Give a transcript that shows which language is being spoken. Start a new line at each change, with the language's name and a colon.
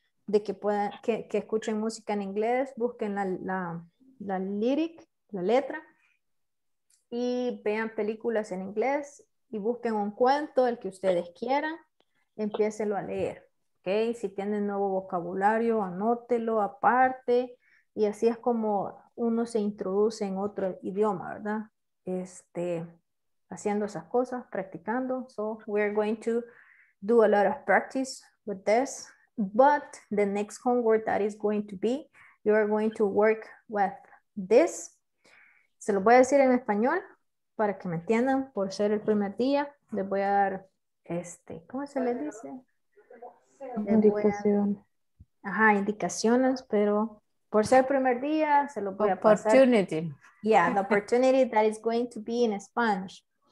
Spanish: De que puedan, que escuchen música en inglés, busquen la lyric, la letra, y vean películas en inglés, y busquen un cuento, el que ustedes quieran, empiécenlo a leer, ¿ok? Si tienen nuevo vocabulario, anótelo aparte, y así es como uno se introduce en otro idioma, ¿verdad? Haciendo esas cosas, practicando.
English: So, we're going to do a lot of practice with this, but the next homework that is going to be, you are going to work with this.
Spanish: Se lo voy a decir en español para que me entiendan, por ser el primer día. Les voy a dar ¿cómo se les dice? Indicaciones. Ajá, indicaciones, pero por ser el primer día, se lo voy a pasar.
English: Opportunity. Yeah, the opportunity that is going to be in Spanish.